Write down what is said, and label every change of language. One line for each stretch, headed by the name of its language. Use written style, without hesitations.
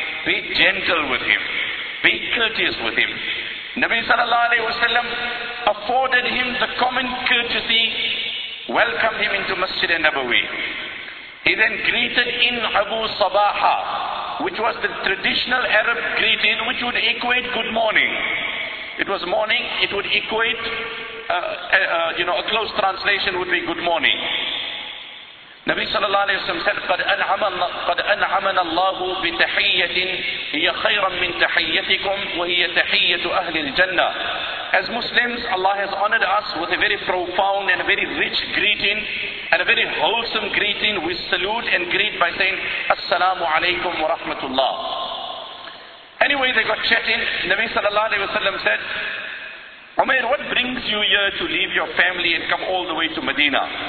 English: Be gentle with him. Be courteous with him. Nabi sallallahu alaihi wasallam afforded him the common courtesy, welcomed him into Masjid al-Nabawi. He then greeted in Abu Sabaha, which was the traditional Arab greeting, which would equate good morning. It was morning, it would equate, a close translation would be good morning.
Arabic: Nabi sallallahu alayhi wa sallam said, قَدْ أَنْعَمَنَ اللَّهُ بِتَحِيَّةٍ هِيَ خَيْرًا مِّن تَحِيَّتِكُمْ وَهِيَ تَحِيَّةُ أَهْلِ الْجَنَّةِ.
English: As Muslims, Allah has honored us with a very profound and a very rich greeting and a very wholesome greeting. We salute and greet by saying,
Arabic: Assalamu alaykum wa rahmatullah.
English: Anyway, they got chatting. Nabi sallallahu alayhi wa sallam said, Umair, what brings you here to leave your family and come all the way to Medina?